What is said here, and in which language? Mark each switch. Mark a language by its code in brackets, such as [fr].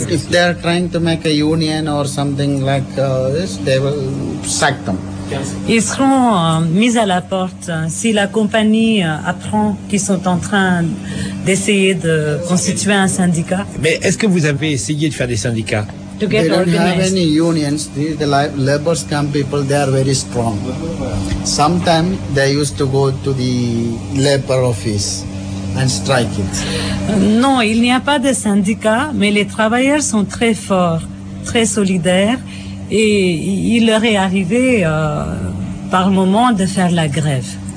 [en] If they are trying to make a union or something like this, they will sack them. [fr] Ils seront mis à la porte si la compagnie apprend qu'ils sont en train d'essayer de constituer un syndicat. Mais est-ce que vous avez essayé de faire des syndicats? [en] They don't have any unions. The labor's camp people, they are very strong. Sometimes they used to go to the labor office and strike it. [fr] Non, il n'y a pas de syndicat, mais les travailleurs sont très forts, très solidaires, et il leur est arrivé par moment de faire la grève.